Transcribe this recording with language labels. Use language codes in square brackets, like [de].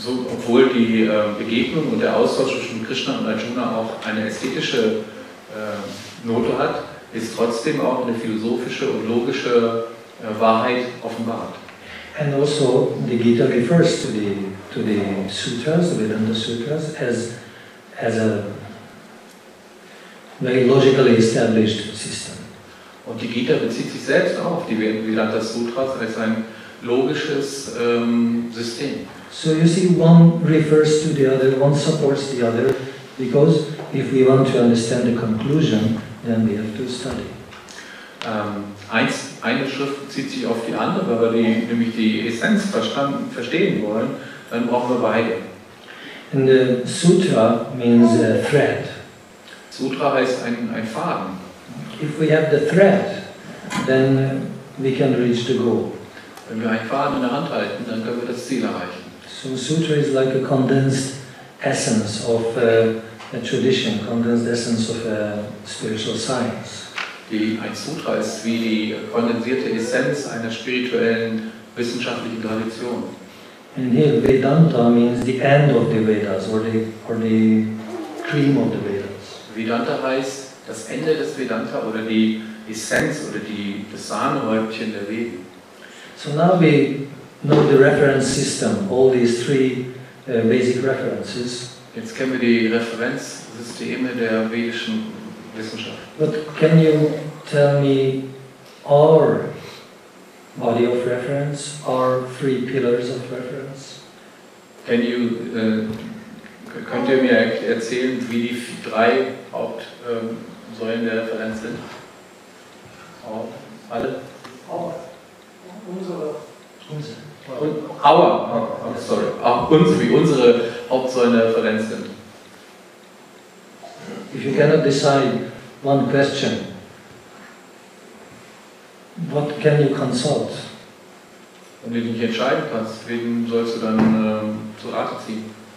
[de] Obwohl die Begegnung und der Austausch zwischen Krishna und Arjuna auch eine ästhetische Note hat, ist trotzdem auch eine philosophische und logische Wahrheit offenbart. [en] And also the Gita refers to the sutras, the Vedanta sutras, as a very logically established system. [de] Und die Gita bezieht sich selbst auch auf die Vedanta sutras als ein logisches System. [en] So you see, one refers to the other, one supports the other, because if we want to understand the conclusion, then we have to study. [de] Eine Schrift zieht sich auf die andere, weil wir nämlich die Essenz verstehen wollen, dann brauchen wir beide. [en] And the sutra means a thread. [de] Sutra heißt ein Faden. [en] If we have the thread, then we can reach the goal. [de] Wenn wir einen Faden in der Hand halten, dann können wir das Ziel erreichen. [en] So sutra is like a condensed essence of a tradition, condensed essence of a spiritual science. [de] Ein Sutra ist wie die kondensierte Essenz einer spirituellen, wissenschaftlichen Tradition. [en] And here Vedanta means the end of the Vedas or the cream of the Vedas. [de] Vedanta heißt das Ende des Vedanta oder die Essenz oder die das Sahnehäubchen der Veden. [en] So now we know the reference system, all these three basic references. [de] Jetzt kennen wir die Referenzsysteme der vedischen Wissenschaft. [en] But can you tell me our body of reference, our three pillars of reference? Can you [de] könnt ihr mir erzählen, wie die drei Hauptsäulen der Referenz sind? [en] Our. [de] Alle? [en] Our. [de] Unsere. [en] Our. Oh, sorry. [de] Uns, wie unsere Hauptsäulen der Referenz sind. [en] If you cannot decide one question, what can you consult? [de] Wenn du dich nicht entscheiden kannst, wen sollst du dann zu Rate ziehen?